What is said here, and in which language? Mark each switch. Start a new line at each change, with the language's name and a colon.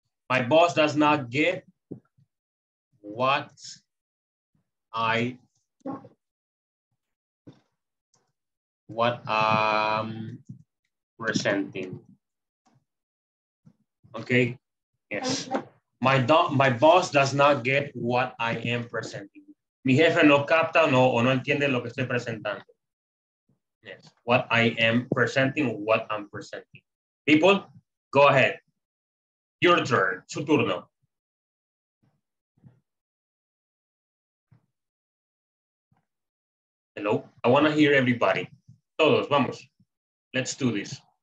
English: My boss does not get what I what I'm presenting. Okay, yes. My boss does not get what I am presenting.
Spanish: Mi jefe no capta no, o no entiende lo que estoy presentando.
English: Yes, what I am presenting, what I'm presenting. People, go ahead. Your turn,
Spanish: su turno.
English: Hello, I wanna hear everybody.
Spanish: Todos, vamos.
English: Let's do this.